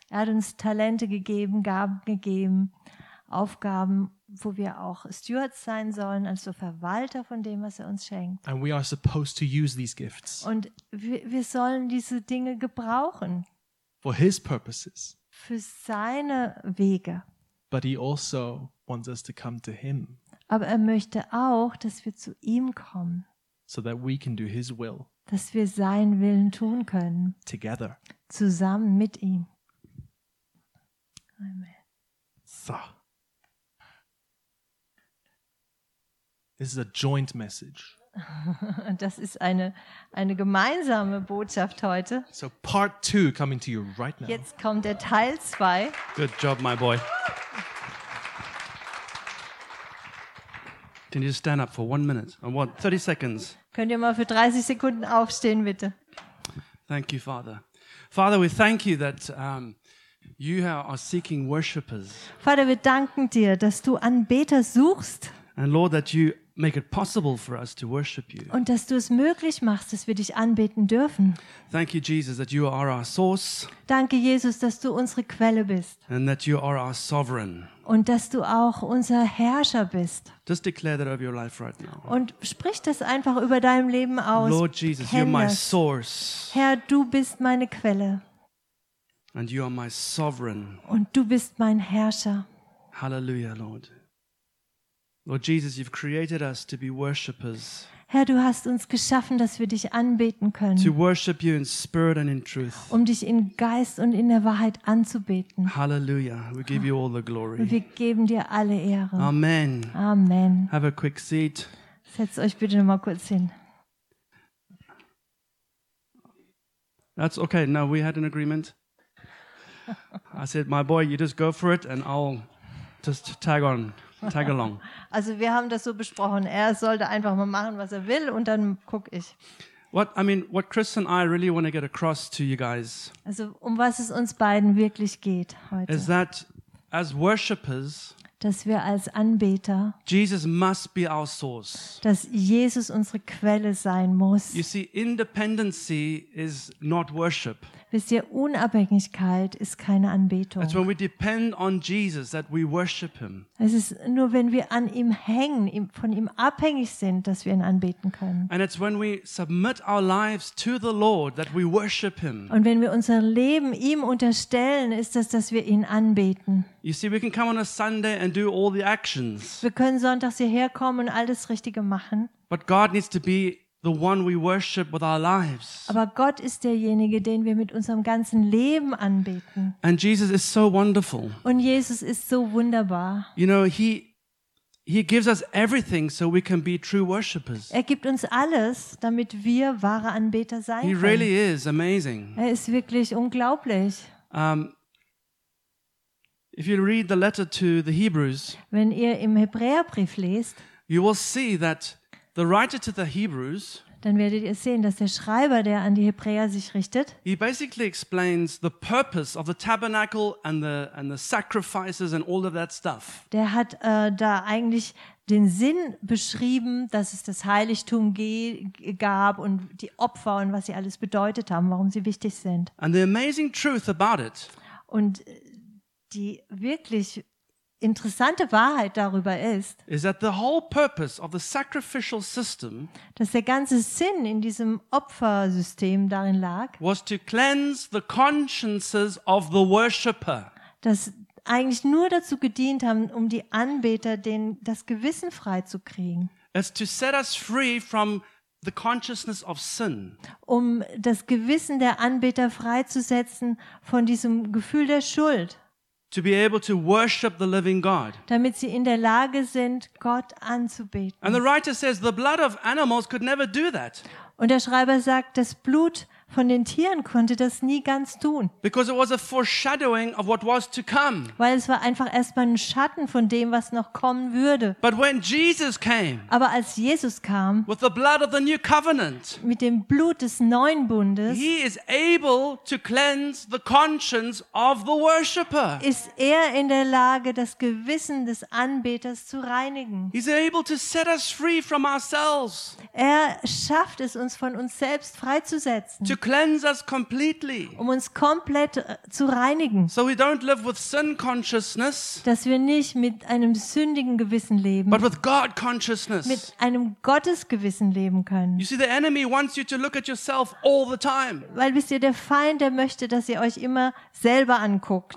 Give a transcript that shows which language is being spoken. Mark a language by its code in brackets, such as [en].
[de] Er hat uns Talente gegeben, Gaben gegeben. Aufgaben, wo wir auch Stewards sein sollen, also Verwalter von dem, was er uns schenkt. [en] And we are supposed to use these gifts. [de] Und wir sollen diese Dinge gebrauchen. [en] For his purposes. [de] Für seine Wege. [en] But he also wants us to come to him. [de] Aber er möchte auch, dass wir zu ihm kommen. [en] So that we can do his will. [de] Dass wir seinen Willen tun können. [en] Together. [de] Zusammen mit ihm. Amen. [en] So. This is a joint message. [de] Das ist eine gemeinsame Botschaft heute. [en] So part 2 coming to you right now. [de] Jetzt kommt der Teil 2. [en] Good job, my boy. Can you stand up for 1 minute? I want 30 seconds. [de] Könnt ihr mal für 30 Sekunden aufstehen, bitte? [en] Thank you, Father. Father, we thank you that you are seeking worshipers. [de] Vater, wir danken dir, dass du Anbeter suchst. [en] And Lord, that you make it possible for us to worship you. [de] Und dass du es möglich machst, dass wir dich anbeten dürfen. [en] Thank you, Jesus, that you are our source. [de] Danke, Jesus, dass du unsere Quelle bist. [en] And that you are our sovereign. [de] Und dass du auch unser Herrscher bist. [en] Just declare that over your life right now. [de] Und sprich das einfach über deinem Leben aus. [en] Lord Jesus, you're my source. [de] Herr, du bist meine Quelle. [en] And you are my sovereign. [de] Und du bist mein Herrscher. [en] Hallelujah, Lord. Lord Jesus, you've created us to be worshippers. [de] Herr, du hast uns geschaffen, dass wir dich anbeten können. [en] To worship you in spirit and in truth. [de] Um dich in Geist und in der Wahrheit anzubeten. [en] Hallelujah. We give you all the glory. [de] Wir geben dir alle Ehre. Amen. Amen. [en] Have a quick seat. [de] Setzt euch bitte noch mal kurz hin. [en] That's okay. Now we had an agreement. I said, my boy, you just go for it and I'll just tag on. Tag along. [de] Also wir haben das so besprochen. Er sollte einfach mal machen, was er will, und dann guck ich. [en] What Chris and I really want to get across to you guys. [de] Also um was es uns beiden wirklich geht heute. [en] Is that as worshippers, [de] dass wir als Anbeter, [en] Jesus must be our source. [de] Dass Jesus unsere Quelle sein muss. [en] You see, independency is not worship. [de] Wisst ihr, Unabhängigkeit ist keine Anbetung. [en] It's when we depend on Jesus that we worship him. [de] Es ist nur, wenn wir an ihm hängen, von ihm abhängig sind, dass wir ihn anbeten können. [en] And it's when we submit our lives to the Lord that we worship him. [de] Und wenn wir unser Leben ihm unterstellen, ist das, dass wir ihn anbeten. [en] You see, we can come on a Sunday and do all the actions. [de] Wir können sonntags hierher kommen und alles Richtige machen. [en] But God needs to be the one we worship with our lives. [de] Aber Gott ist derjenige, den wir mit unserem ganzen Leben anbeten. [en] And Jesus is so wonderful. [de] Und Jesus ist so wunderbar. [en] You know, he gives us everything so we can be true worshippers. [de] Er gibt uns alles, damit wir wahre Anbeter sein können. [en] He really is amazing. [de] Er ist wirklich unglaublich. [en] If you read the letter to the Hebrews, [de] wenn ihr im Hebräerbrief lest, [en] you will see that the writer to the Hebrews, [de] dann werdet ihr sehen, dass der Schreiber, der an die Hebräer sich richtet, [en] he basically explains the purpose of the tabernacle and the sacrifices and all of that stuff. [de] Der hat da eigentlich den Sinn beschrieben, dass es das Heiligtum gab und die Opfer und was sie alles bedeutet haben, warum sie wichtig sind. [en] And the amazing truth about it. [de] Und die wirklich interessante Wahrheit darüber ist, [en] is that the whole purpose of the sacrificial system, [de] dass der ganze Sinn in diesem Opfersystem darin lag, [en] was to cleanse the consciences of the worshipper. [de] Dass eigentlich nur dazu gedient haben, um die Anbeter das Gewissen frei zu kriegen. [en] It's to set us free from the consciousness of sin. [de] Um das Gewissen der Anbeter freizusetzen von diesem Gefühl der Schuld. [en] To be able to worship the living God. [de] Damit sie in der Lage sind, Gott anzubeten. [en] And the writer says the blood of animals could never do that. [de] Und der Schreiber sagt, das Blut von den Tieren konnte das nie ganz tun. [en] Because it was a foreshadowing of what was to come. [de] Weil es war einfach erstmal ein Schatten von dem, was noch kommen würde. [en] But when Jesus came. [de] Aber als Jesus kam. [en] With the blood of the new covenant. [de] Mit dem Blut des neuen Bundes. [en] He is able to cleanse the conscience of the worshipper. [de] Ist er in der Lage, das Gewissen des Anbeters zu reinigen? [en] He's able to set us free from ourselves. [de] Er schafft es, uns von uns selbst freizusetzen. [en] To cleanse us completely. [de] Um uns komplett zu reinigen. [en] So we don't live with sin consciousness. [de] Dass wir nicht mit einem sündigen Gewissen leben. [en] But with God consciousness. [de] Mit einem Gottesgewissen leben können. [en] You see, the enemy wants you to look at yourself all the time. [de] Weil wisst ihr, der Feind, der möchte, dass ihr euch immer selber anguckt.